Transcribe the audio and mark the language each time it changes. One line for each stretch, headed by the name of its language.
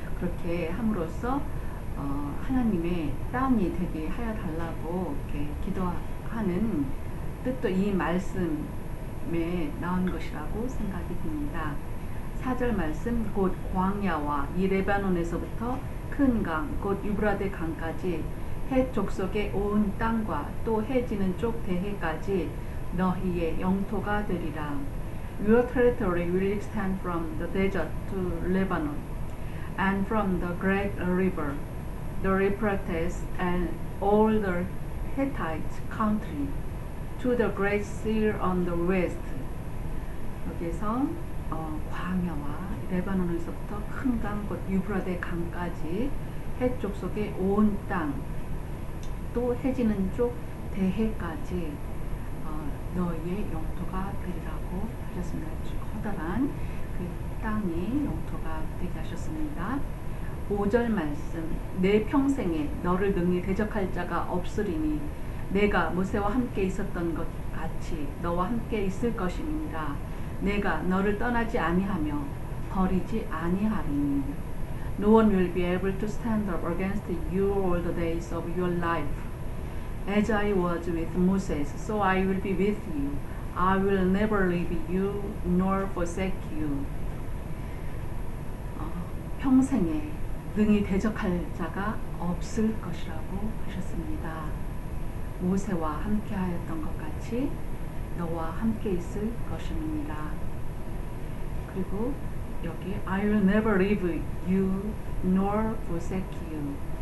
Korean: 그렇게 함으로써 하나님의 땅이 되게 하여 달라고 이렇게 기도하는 뜻도 이 말씀에 나온 것이라고 생각이 듭니다. 4절 말씀, 곧 광야와 이 레바논에서부터 큰 강, 곧 유브라데 강까지 헷 족속의 온 땅과 또 해지는 쪽 대해까지 너희의 영토가 되리라.
English: Your territory will extend from the desert to Lebanon and from the great river, the Euphrates and all the Hittite country to the great sea on the west.
Korean: 여기서 광야와 레바논에서부터 큰 강, 곧 유브라데 강까지 해쪽 속의 온 땅, 또 해지는 쪽 대해까지 너희의 영토가 되리라고 하셨습니다. 아주 커다란 그 땅이 영토가 되게 하셨습니다. 5절 말씀, 내 평생에 너를 능히 대적할 자가 없으리니 내가 모세와 함께 있었던 것 같이 너와 함께 있을 것입니다. 내가 너를 떠나지 아니하며 버리지 아니하리니
English: No one will be able to stand up against you all the days of your life. As I was with Moses, so I will be with you. I will never leave you nor forsake you.
Korean: 평생에 능히 대적할 자가 없을 것이라고 하셨습니다. 모세와 함께 하였던 것 같이 너와 함께 있을 것입니다. 그리고 여기
English: I will never leave you nor forsake you.